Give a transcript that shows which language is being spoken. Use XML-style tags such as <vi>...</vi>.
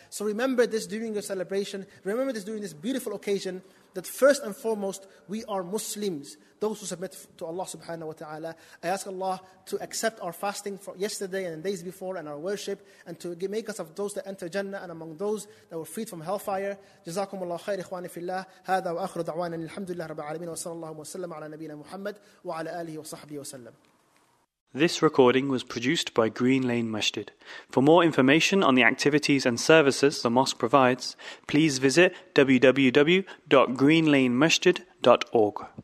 <en>So remember this during your celebration. Remember this during this beautiful occasion, that first and foremost, we are Muslims, those who submit to Allah subhanahu wa ta'ala. I ask Allah to accept our fasting for yesterday and days before and our worship, and to make us of those that enter Jannah and among those that were freed from hellfire.</en> <ar>جزاكم الله خير إخواني في الله. هذا وآخر دعوانا الحمد لله رب العالمين وصلى الله وسلم على نبينا محمد وعلى آله وصحبه وسلم.</ar> <en>This recording was produced by Green Lane Masjid. For more information on the activities and services the mosque provides, please visit www.greenlanemasjid.org.</en>